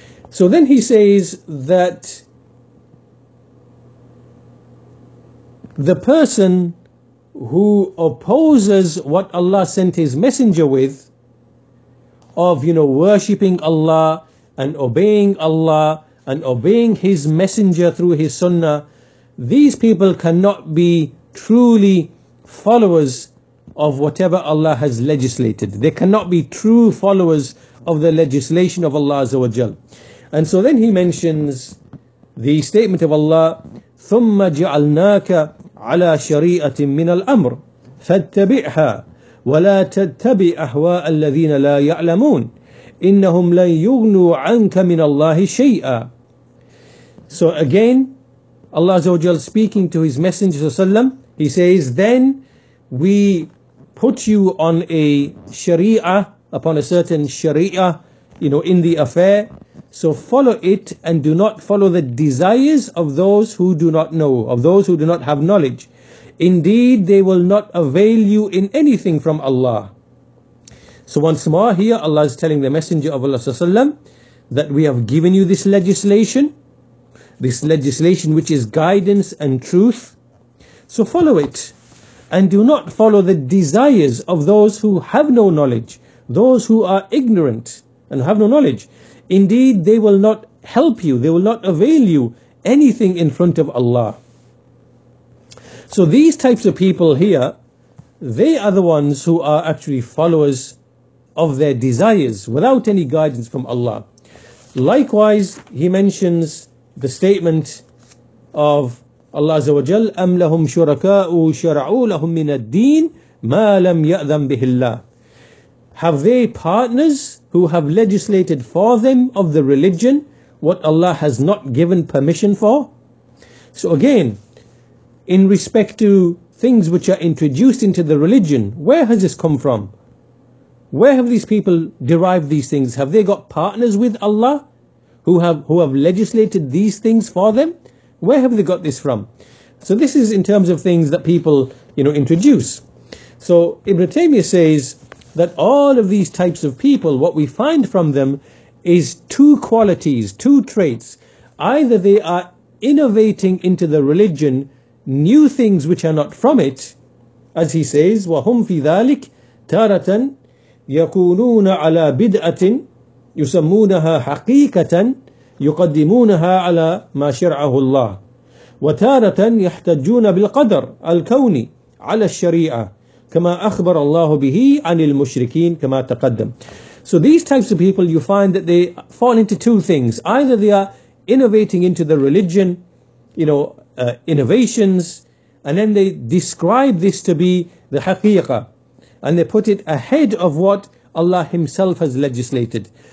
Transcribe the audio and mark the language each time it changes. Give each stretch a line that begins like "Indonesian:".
English: So then he says that the person who opposes what Allah sent His Messenger with, of, you know, worshipping Allah and obeying Allah and obeying His Messenger through His Sunnah, these people cannot be truly followers of whatever Allah has legislated. They cannot be true followers of the legislation of Allah Azza wa Jal. And so then he mentions the statement of Allah,
Arabic: ثُمَّ جَعَلْنَاكَ عَلَى شَرِيعَةٍ مِّنَ الْأَمْرِ فَاتَّبِعْهَا وَلَا تَتَّبِعْ أَهْوَاءَ الَّذِينَ لَا يَعْلَمُونَ إنهم لن يغنوا عنك من الله شيئا.
English: So again, Allah Azza wa Jal speaking to His Messenger Sallam, He says, then we put you on a sharia, upon a certain sharia, you know, in the affair. So follow it and do not follow the desires of those who do not know, of those who do not have knowledge. Indeed, they will not avail you in anything from Allah. So once more here, Allah is telling the Messenger of Allah Sallallahu Alaihi Wasallam that we have given you this legislation which is guidance and truth. So follow it and do not follow the desires of those who have no knowledge, those who are ignorant and have no knowledge. Indeed, they will not help you, they will not avail you anything in front of Allah. So these types of people here, they are the ones who are actually followers of their desires without any guidance from Allah. Likewise, he mentions the statement of Allah Azza wa Jal,
Arabic: أَمْ لَهُمْ شُرَكَاءُ شَرَعُوا لَهُمْ مِنَ الدِّينِ مَا لَمْ يَأْذَنْ بِهِ اللَّهِ.
English: Have they partners who have legislated for them of the religion what Allah has not given permission for? So again, in respect to things which are introduced into the religion, where has this come from? Where have these people derived these things? Have they got partners with Allah who have legislated these things for them? Where have they got this from? So this is in terms of things that people, you know, introduce. So Ibn Taymiyyah says that all of these types of people, what we find from them is two qualities, two traits. Either they are innovating into the religion new things which are not from it, as he says,
Arabic: وَهُمْ فِي ذَلِكَ تَارَةً يَكُونُونَ عَلَى بِدْأَةٍ يُسَمُّونَهَا حَقِيقَةً يُقَدِّمُونَهَا عَلَى مَا شَرْعَهُ اللَّهِ وَتَارَةً يَحْتَجُّونَ بِالْقَدْرِ الْكَوْنِ عَلَى الشَّرِيعَةِ كَمَا أَخْبَرَ اللَّهُ بِهِ عَنِ الْمُشْرِكِينَ كَمَا تَقَدَّمْ.
English: So these types of people, you find that they fall into two things. Either they are innovating into the religion, you know, innovations, and then they describe this to be the haqiqah, and they put it ahead of what Allah Himself has legislated.